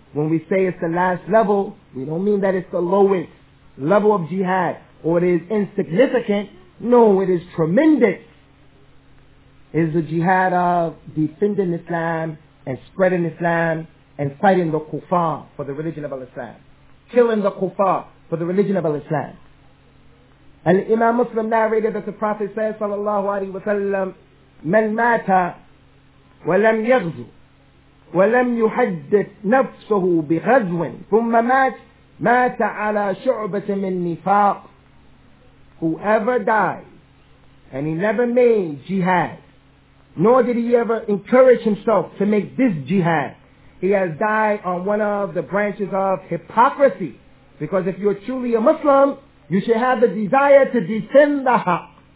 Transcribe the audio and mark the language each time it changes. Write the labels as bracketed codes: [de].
[en] When we say it's the last level, we don't mean that it's the lowest level of jihad, or it is insignificant. No, it is tremendous. It is the jihad of defending Islam, and spreading Islam, and fighting the kuffar for the religion of Islam. Killing the kuffar for the religion of Islam. Al-Imam Muslim narrated that the Prophet said, [ar] sallallahu alayhi wa sallam, من مات ولم يغزو ولم يحدث نفسه بغزو ثم مات على شعبة من نفاق. [en] Whoever died and he never made jihad, nor did he ever encourage himself to make this jihad, he has died on one of the branches of hypocrisy. Because if you're truly a Muslim, you should have the desire to defend the haq.